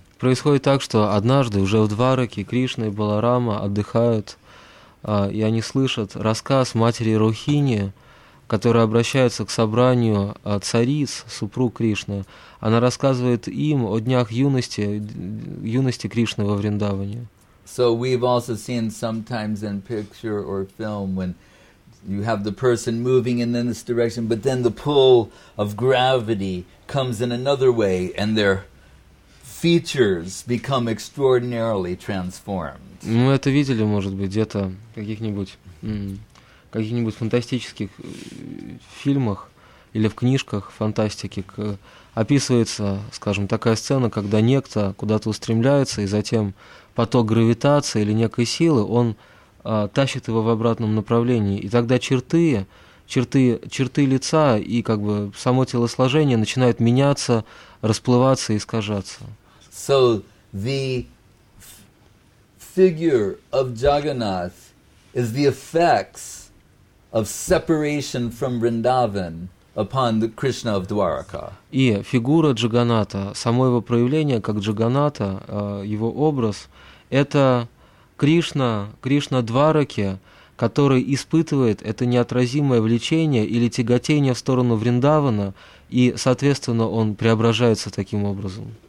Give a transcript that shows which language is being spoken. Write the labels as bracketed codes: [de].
[ru] Происходит так, что однажды уже в Двараке Кришна и Баларама отдыхают, и они слышат рассказ матери Рохини, которая обращается к собранию цариц, супруг Кришны. Она рассказывает им о днях юности, юности Кришны во Вриндаване. [en] So we've also seen sometimes in picture or film when you have the person moving in this direction, but then the pull of gravity comes in another way, and their features become extraordinarily transformed. [ru] Мы это видели, может быть, где-то каких-нибудь фантастических фильмах или в книжках фантастики описывается, скажем, такая сцена, когда некто куда-то устремляется, и затем поток гравитации или некой силы, он тащит его в обратном направлении. И тогда черты лица и как бы само телосложение начинают меняться, расплываться и искажаться. [en] So the figure of Jagannath is the effects of separation from Vrindavan upon the Krishna of Dwaraka. [ru] И фигура Джаганната, само его проявление как Джаганната, его образ, это Кришна, Кришна Двараки, который испытывает это неотразимое влечение или тяготение в сторону Вриндавана, и, соответственно, он преображается таким образом.